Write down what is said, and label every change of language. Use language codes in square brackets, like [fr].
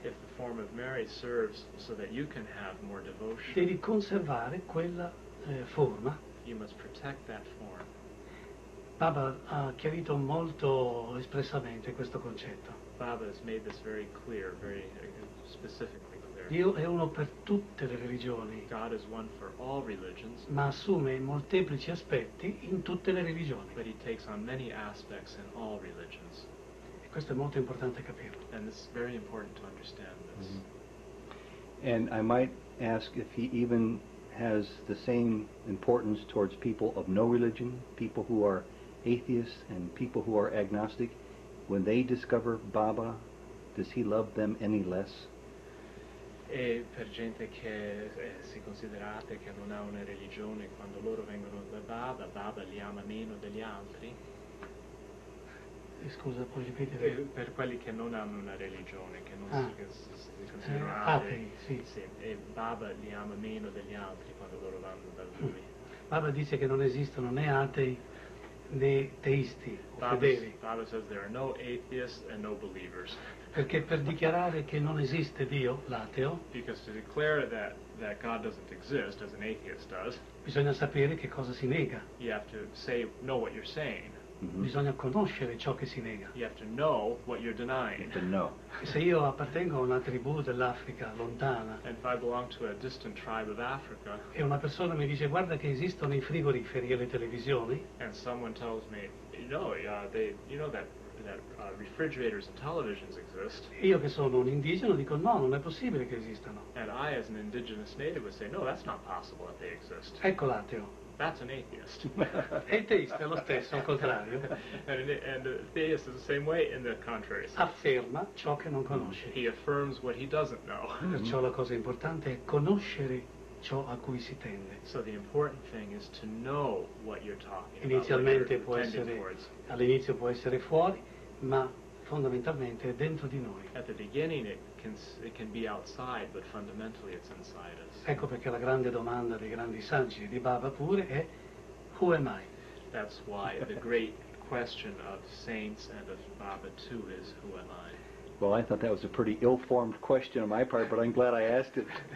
[en] if the form of Mary serves so that you can have more devotion, [it] devi conservare quella forma. [en] You must protect that form. [it] Baba ha chiarito molto espressamente questo concetto. [en] Baba has made this very clear, very specifically clear. [it] Dio è uno per tutte le religioni. [en] God is one for all religions. [it] Ma assume molteplici aspetti in tutte le religioni. [en] But he takes on many aspects in all religions. [it] E questo è molto importante capirlo. [en] And it's very important to understand this. Mm-hmm. And I might ask if he even has the same importance towards people of no religion, people who are atheists and people who are agnostic, when they discover Baba, does he love them any less? [it] E per gente che si considerate che non ha una religione, quando loro vengono da Baba, Baba li ama meno degli altri? Scusa, puoi ripetere? Per quelli che non hanno una religione, che non si considerano atei, sì. E Baba li ama meno degli altri quando loro vanno da lui. Baba dice che non esistono né atei, né teisti o fedeli. [en] Baba says there are no atheists and no believers. [it] Perché per dichiarare che non esiste Dio, l'ateo, [en] because to declare that God doesn't exist, as an atheist does, [it] bisogna sapere che cosa si nega. [en] You have to say, know what you're saying. [it] Mm-hmm. Bisogna conoscere ciò che si nega. [en] You have to know what you're denying. You have to know. [it] Se io appartengo a una tribù dell'Africa lontana, [en] and if I belong to a distant tribe of Africa, [it] e una persona mi dice guarda che esistono i frigoriferi e le televisioni, [en] and someone tells me, you know, that refrigerators and televisions exist, [it] io che sono un indigeno dico no, non è possibile che esistano. [en] And I, as an indigenous native, would say no, that's not possible that they exist. [it] Ecco l'ateo. [en] That's an atheist. [it] E teista è lo stesso, al contrario. [en] And a theist is the same way in the contrary sense. [it] Afferma ciò che non conosce. [en] He affirms what he doesn't know. [it] Perciò la cosa importante è conoscere ciò a cui si tende. [en] So the important thing is to know what you're talking about. [it] Inizialmente [en] what you're tending towards. [it] All'inizio può essere fuori, ma fondamentalmente è dentro di noi. [en] At the beginning it can be outside, but fundamentally it's inside us. [it] Ecco perché la grande domanda dei grandi saggi di Baba pure è [en] who am I? That's why the great question of saints and of Baba too is who am I? Well, I thought that was a pretty ill-formed question on my part, but I'm glad I asked it.